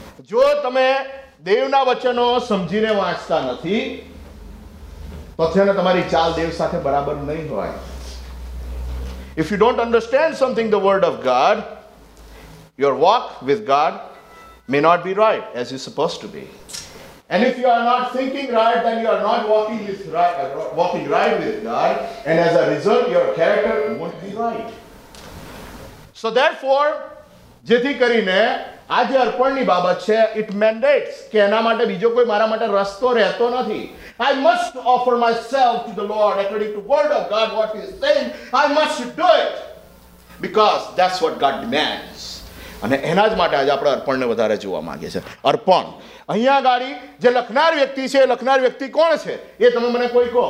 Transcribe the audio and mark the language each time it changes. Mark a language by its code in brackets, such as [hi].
[gu] જો તમે દેવના વચનો સમજીને વાંચતા નથી, તમારી ચાલ દેવ સાથે બરાબર નહીં હોય. [en] If you don't understand something the word of God, your walk with God may not be right as you suppose to be. And if you are not thinking right, then you are not walking right with God. And as a result, your character won't be right. So therefore, [gu] જેથી કરીને આ જે અર્પણની બાબત છે, [en] it mandates [gu] કે એના માટે બીજો કોઈ મારા માટે રસ્તો રહેતો નથી. [en] I must offer myself to the Lord according to word of God, what he is saying. I must do it because that's what God demands. [gu] અને એના જ માટે આજે આપણે અર્પણને વધારે જોવા માંગીએ છીએ. અર્પણ અહીંયા ગાડી જે લખનાર વ્યક્તિ છે, એ લખનાર વ્યક્તિ કોણ છે એ તમે મને કોઈ કહો.